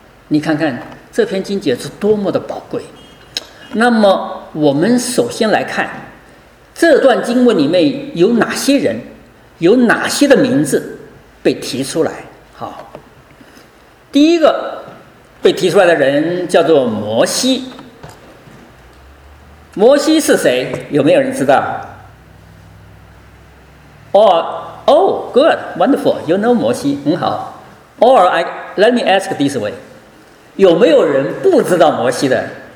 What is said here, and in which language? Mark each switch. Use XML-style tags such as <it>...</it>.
<zh>你看看这篇经节是多么的宝贵。那么我们首先来看这段经文里面有哪些人，有哪些的名字被提出来。好，第一个被提出来的人叫做摩西。摩西是谁？有没有人知道？</zh> <en>Or, oh, good, wonderful, you know 摩西，</en> <zh>很好。</zh> <en>Or, let me ask this way.</en> <zh>有没有人不知道摩西的？</zh>